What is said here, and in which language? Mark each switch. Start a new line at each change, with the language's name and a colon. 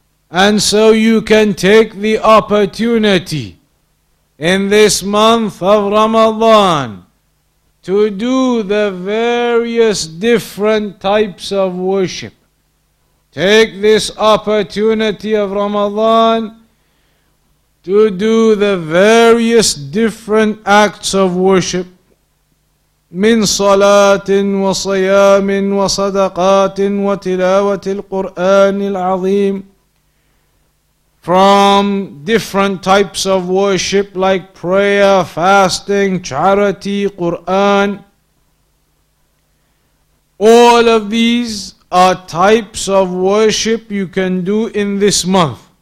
English: And so you can take the opportunity in this month of Ramadan to do the various different types of worship. Take this opportunity of Ramadan to do the various different acts of worship.
Arabic: من صلاة وصيام وصدقات وتلاوة القرآن العظيم.
English: From different types of worship like prayer, fasting, charity, Quran. All of these are types of worship you can do in this month.